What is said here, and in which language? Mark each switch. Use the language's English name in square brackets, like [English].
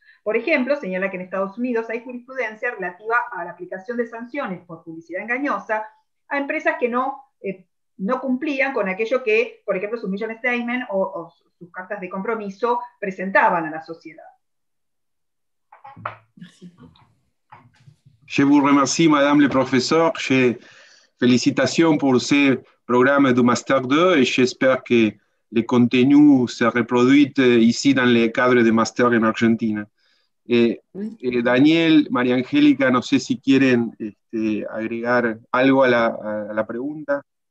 [Spanish] Por ejemplo, señala que en Estados Unidos hay jurisprudencia relativa a la aplicación de sanciones por publicidad engañosa a empresas que no cumplían con aquello que, por ejemplo, sus [English] mission statement [Spanish] o sus cartas de compromiso presentaban a la sociedad. [French] Je vous remercie, madame le professeur. Je félicitations pour ce programme du Master 2 et j'espère que le contenu se reproduit ici dans le cadre de Master en Argentine. [Spanish] Daniel, María Angélica, no sé si quieren agregar algo a la pregunta.